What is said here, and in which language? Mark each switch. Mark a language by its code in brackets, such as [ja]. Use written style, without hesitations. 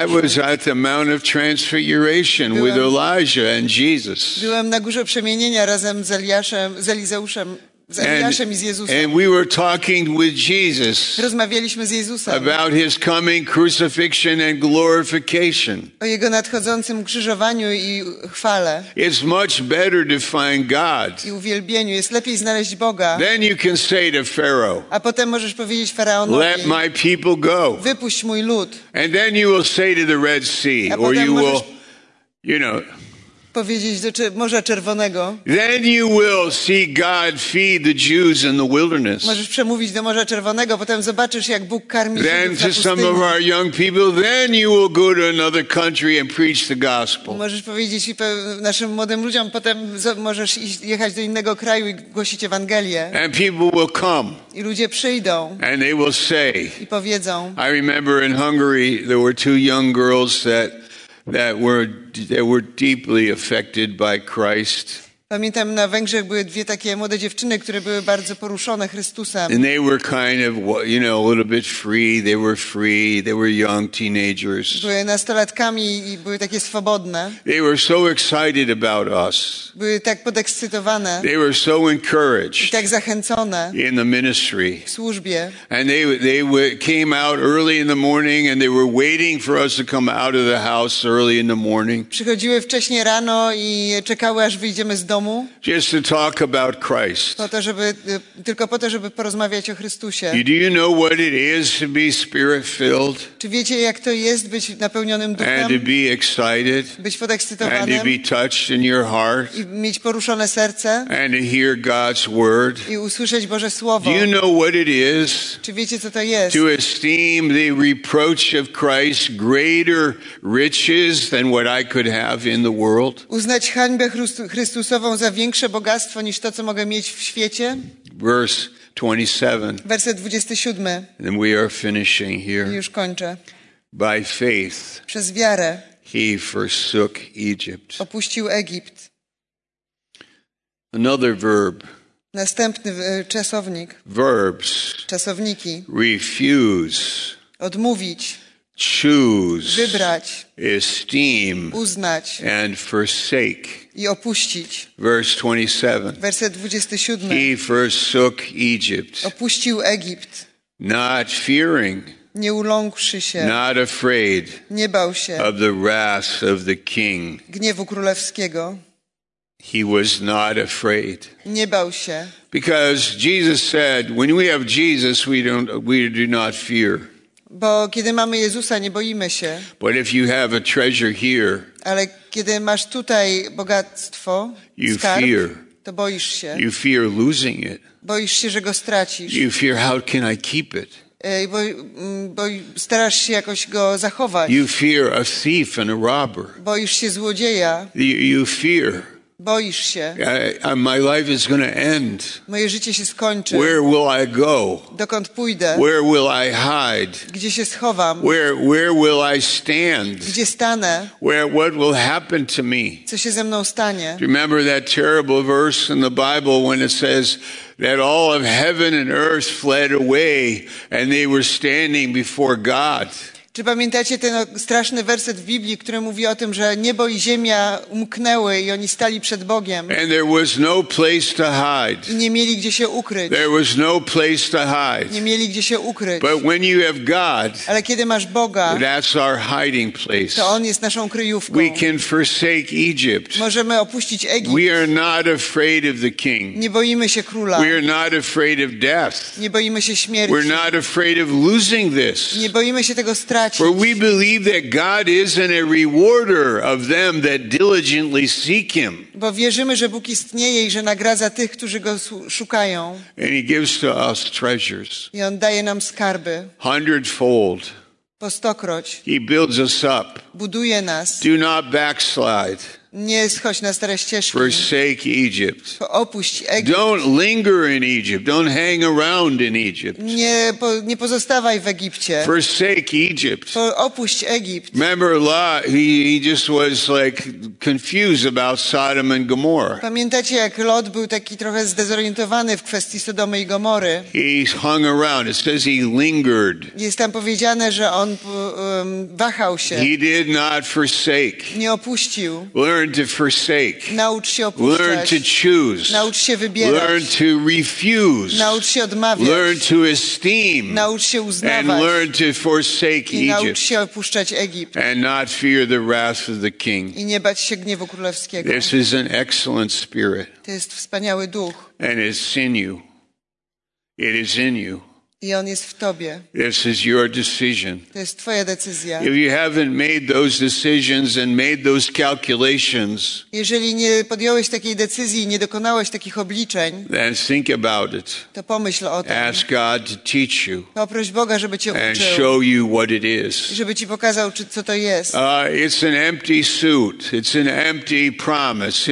[en] I was at the Mount of Transfiguration with Elijah and Jesus. [pl] Byłem na Górze Przemienienia razem z Eliaszem, z Elizeuszem. [en] And we were talking with Jesus. [pl] Rozmawialiśmy z Jezusem. [en] About his coming crucifixion and glorification. [pl] O jego nadchodzącym krzyżowaniu i chwale. [en] It's much better to find God. [pl] I uwielbieniu jest lepiej znaleźć Boga. [en] Then you can say to Pharaoh. [pl] A potem możesz powiedzieć Faraonowi. [en] Let my people go. [pl] Wypuść mój lud. [en] And then you will say to the Red Sea, or you will, you know. [pl] Powiedzieć do Morza Czerwonego. [en] Then you will see God feed the Jews in the wilderness. [pl] Możesz przemówić do Morza Czerwonego, potem zobaczysz, jak Bóg karmi Żydów na pustyni. [en] Then to some of our young people, then you will go to another country and preach the gospel. [pl] Możesz powiedzieć naszym młodym ludziom, potem możesz jechać do innego kraju i głosić Ewangelię. [en] And people will come. [pl] I ludzie przyjdą. [en] And they will say. [pl] I powiedzą. [en] I remember in Hungary there were two young girls that. That were deeply affected by Christ. [pl] Pamiętam, na Węgrzech były dwie takie młode dziewczyny, które były bardzo poruszone Chrystusem. [en] And they were kind of, you know, a little bit free. They were free. They were young teenagers. [pl] Były nastolatkami i były takie swobodne. [en] They were so excited about us. [pl] Były tak podekscytowane. [en] They were so encouraged. [pl] I tak zachęcone. [en] In the ministry. [pl] W służbie. [en] And they came out early in the morning and they were waiting for us to come out of the house early in the morning. [pl] Przychodziły wcześnie rano i czekały, aż wyjdziemy z domu. [en] Just to talk about Christ. [pl] Tylko po to, żeby porozmawiać o Chrystusie. [en] Do you know what it is to be spirit-filled? [pl] Czy wiecie, jak to jest być napełnionym duchem? [en] And to be excited. [pl] Być podekscytowanym. [en] And to be touched in your heart. [pl] I mieć poruszone serce. [en] And to hear God's word. [pl] I usłyszeć Boże słowo. [en] Do you know what it is? [pl] Czy wiecie, co to jest? [en] To esteem the reproach of Christ greater riches than what I could have in the world? [pl] Uznać hańbę Chrystusa za większe bogactwo niż to, co mogę mieć w świecie. [en] Verse 27. [pl] Werset 27. [en] And we are finishing here. [pl] Już kończę. [en] By faith. [pl] Przez wiarę. [en] He forsook Egypt. [pl] Opuścił Egipt. [en] Another verb. [pl] Następny czasownik. [en] Verbs. [pl] Czasowniki. [en] Refuse. [pl] Odmówić. [en] Choose. [pl] Wybrać. [en] Esteem. [pl] Uznać. [en] And forsake. [pl] I opuścić. [en] Verse 27. [pl] Werset 27. [en] He forsook Egypt. [pl] Opuścił Egipt. [en] Not fearing. [pl] Nie uląkłszy się. [en] Not afraid. [pl] Nie bał się. [en] Of the wrath of the king. [pl] Gniewu królewskiego. [en] He was not afraid. [pl] Nie bał się. [en] Because Jesus said, when we have Jesus, we do not fear. [pl] Bo kiedy mamy Jezusa, nie boimy się. [en] But if you have a treasure here, [pl] ale kiedy masz tutaj bogactwo, [en] you [pl] skarb, [en] fear. [pl] To boisz się. [en] You fear losing it. [pl] Boisz się, że go stracisz. [en] You fear, how can I keep it? [pl] Bo starasz się jakoś go zachować. [en] You fear a thief and a robber. [pl] Boisz się złodzieja. [en] You fear. [pl] Boisz się. [en] My life is going to end. [pl] Moje życie się skończy. [en] Where will I go? [pl] Dokąd pójdę? [en] Where will I hide? [pl] Gdzie się schowam? [en] Where will I stand? [pl] Gdzie stanę? [en] What will happen to me? [pl] Co się ze mną stanie? [en] Remember that terrible verse in the Bible when it says that all of heaven and earth fled away and they were standing before God. [pl] Czy pamiętacie ten straszny werset w Biblii, który mówi o tym, że niebo i ziemia umknęły i oni stali przed Bogiem? [en] And there was no place to hide. [pl] I nie mieli gdzie się ukryć. [en] There was no place to hide. [pl] Nie mieli gdzie się ukryć. [en] But when you have God, [pl] ale kiedy masz Boga, [en] that's our hiding place. [pl] To On jest naszą kryjówką. [en] We can forsake Egypt. [pl] Możemy opuścić Egipt. [en] We are not afraid of the king. [pl] Nie boimy się króla. [en] We are not afraid of death. [pl] Nie boimy się śmierci. [en] We're not afraid of losing this. [pl] Nie boimy się tego straty. wystarczyć. [en] For we believe that God isn't a rewarder of them that diligently seek him. [pl] Bo wierzymy, że Bóg istnieje i że nagradza tych, którzy go szukają. [en] And he gives to us treasures. [pl] I on daje nam skarby. [en] Hundredfold. [pl] Po stokroć. [en] He builds us up. [pl] Buduje nas. [en] Do not backslide. [pl] Nie schodź na stare ścieżki. [en] Forsake Egypt. [pl] Opuść Egipt. [en] Don't linger in Egypt. Don't hang around in Egypt. [pl] Nie pozostawaj w Egipcie. [en] Forsake Egypt. [pl] Opuść Egipt. [en] Remember Lot, he just was like confused about Sodom and Gomorrah. [pl] Pamiętacie, jak Lot był taki trochę zdezorientowany w kwestii Sodomy i Gomory? [en] He hung around. It says he lingered. [pl] Jest tam powiedziane, że on wahał się. [en] He did not forsake. [pl] Nie opuścił. [en] Learn to forsake. [pl] Naucz się opuszczać. [en] Learn to choose. [pl] Naucz się wybierać. [en] Learn to refuse. [pl] Naucz się odmawiać. [en] Learn to esteem. [pl] Naucz się uznawać. [en] And learn to forsake [pl] I [en] Egypt. [pl] Naucz się opuszczać Egipt. [en] And not fear the wrath of the king. [pl] I nie bać się gniewu królewskiego. [en] This is an excellent spirit. [pl] To jest wspaniały duch. [en] And it's in you. It is in you. [pl] I on jest w tobie. [en] This is your decision. [pl] To jest twoja decyzja. [en] If you haven't made those decisions and made those calculations, [pl] jeżeli nie podjąłeś takiej decyzji, nie dokonałeś takich obliczeń, [en] then think about it. [pl] To pomyśl o tym. [en] Ask God to teach you. [pl] Poproś Boga, żeby cię [en] and [pl] uczył. [en] And show you what it is. [pl] Żeby ci pokazał, co to jest. [en] It's an empty suit. It's an empty promise.